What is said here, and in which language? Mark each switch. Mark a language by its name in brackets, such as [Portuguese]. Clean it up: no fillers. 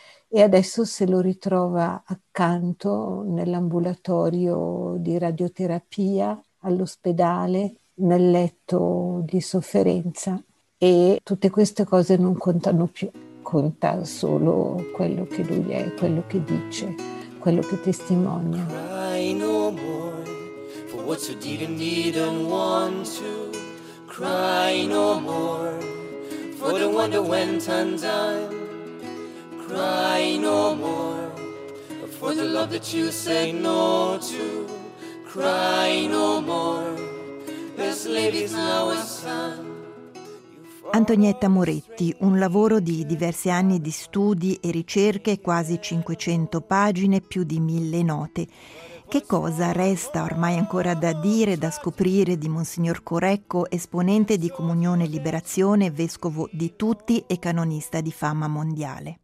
[Italian] E adesso se lo ritrova accanto nell'ambulatorio di radioterapia, all'ospedale, nel letto di sofferenza. E tutte queste cose non contano più, conta solo quello che lui è, quello che dice, quello che testimonia. [English] Cry no more for what you didn't even want to. Cry no more for the one that went undone. Cry no more for the love that you said no to. Cry no more, this lady is now a son. [Italian] Antonietta Moretti, un lavoro di diversi anni di studi e ricerche, quasi 500 pagine, più di 1000 note. Che cosa resta ormai ancora da dire, da scoprire di Monsignor Corecco, esponente di Comunione e Liberazione, vescovo di tutti e canonista di fama mondiale?